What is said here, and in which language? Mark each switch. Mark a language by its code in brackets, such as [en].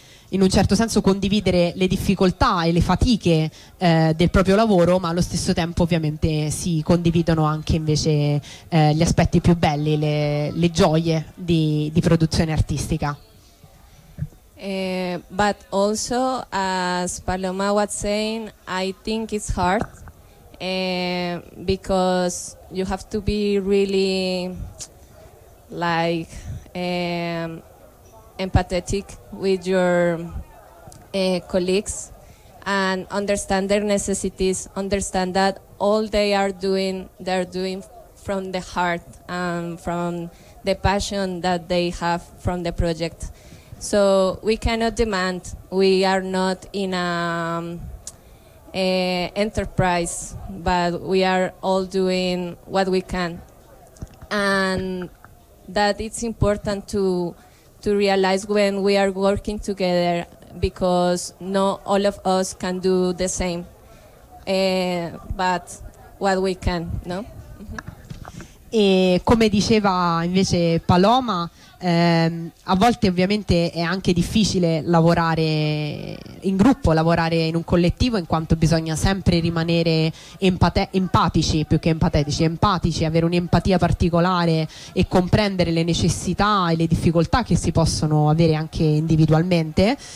[it] in un certo senso condividere le difficoltà e le fatiche del proprio lavoro, ma allo stesso tempo ovviamente si condividono anche invece gli aspetti più belli, le gioie di produzione artistica. [en] But also, as Paloma was saying, I think it's hard because you have to be really empathetic with your colleagues and understand their necessities, understand that all they are doing, they're doing from the heart and from the passion that they have from the project. So we cannot demand, we are not in a enterprise, but we are all doing what we can. And that it's important to realize when we are working together, because not all of us can do the same, but what we can, no? [it] Mm-hmm. E come diceva invece Paloma, a volte ovviamente è anche difficile lavorare in gruppo, lavorare in un collettivo, in quanto bisogna sempre rimanere empatici, più che empatetici, empatici, avere un'empatia particolare e comprendere le necessità e le difficoltà che si possono avere anche individualmente,